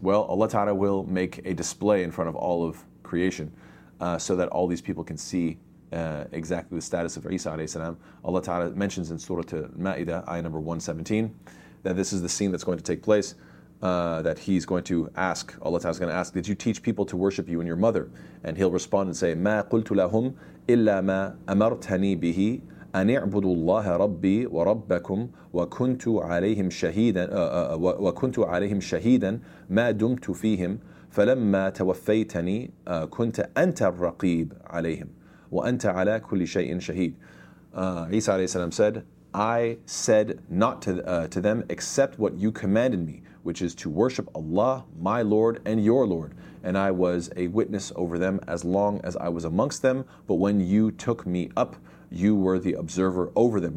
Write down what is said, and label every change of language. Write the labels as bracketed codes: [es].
[en] Well, Allah Ta'ala will make a display in front of all of creation, so that all these people can see exactly the status of Isa alayhi salam. Allah Ta'ala mentions in Surah Al-Ma'idah, ayah number 117, that this is the scene that's going to take place. That he's going to ask, Allah Ta'ala is going to ask, did you teach people to worship you and your mother? And he'll respond and say, [ar] ما قلت لهم إلا ما أمرتني به أن اعبدوا الله ربي وربكم وكنت عليهم شهيدا ما دمت فيهم فلما توفيتني كنت أنت الرقيب عليهم وأنت على كل شيء شهيد. [en] Isa alayhi salam said, I said not to them except what you commanded me, which is to worship Allah, my Lord, and your Lord. And I was a witness over them as long as I was amongst them. But when you took me up, you were the observer over them.